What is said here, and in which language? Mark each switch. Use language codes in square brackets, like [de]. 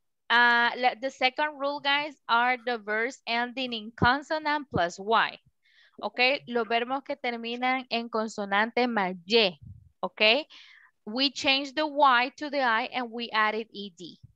[en] The second rule, guys, are the verbs ending in consonant plus Y. Okay, [es] los verbos que terminan en consonante más Y. [en] Okay, we change the Y to the I and we added ED.